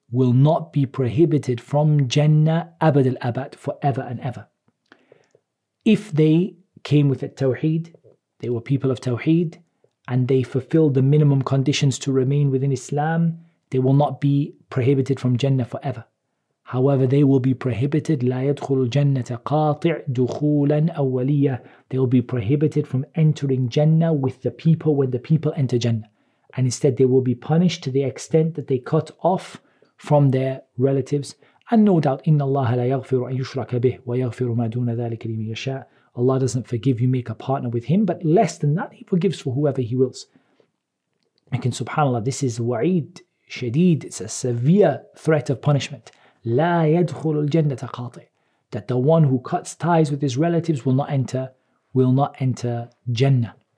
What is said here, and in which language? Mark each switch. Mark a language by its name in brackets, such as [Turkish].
[English] will not be prohibited from Jannah abad al-abad, forever and ever. If they came with a tawheed, they were people of tawheed, and they fulfilled the minimum conditions to remain within Islam, they will not be prohibited from Jannah forever. However, they will be prohibited, [Arabic] لا يدخل الجنة قاطع دخولا أولية. [English] They will be prohibited from entering Jannah with the people when the people enter Jannah. And instead they will be punished to the extent that they cut off from their relatives. And no doubt, [Arabic] إن الله لا يغفر أن يشرك به ويغفر ما دون ذلك لمن يشاء. [English] Allah doesn't forgive you, make a partner with him, but less than that, he forgives for whoever he wills. Again, subhanAllah, this is wa'id, shadeed, it's a severe threat of punishment. [Arabic] لا يدخل الجنة قاطع, [English] that the one who cuts ties with his relatives will not enter Jannah.